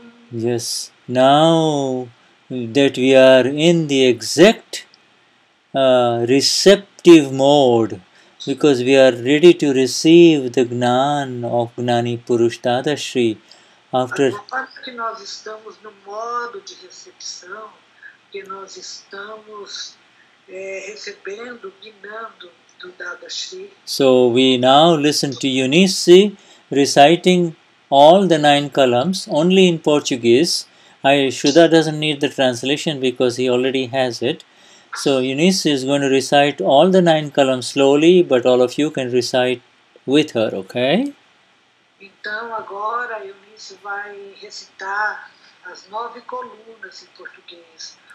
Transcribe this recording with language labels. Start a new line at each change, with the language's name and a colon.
English: Yes, now that we are in the exact receptive mode, because we are ready to receive the Gnan of Gnani Purush Dadashri. After
Portuguese: que nós estamos no modo de recepção, que nós estamos recebendo Gnando do Dadashri.
English: So we now listen to Eunice reciting all the 9 columns only in Portuguese. Shuddha doesn't need the translation because he already has it. So Eunice is going to recite all the 9 columns slowly, but all of you can recite with her, okay?
Portuguese: Então agora Eunice vai recitar as 9 colunas em português.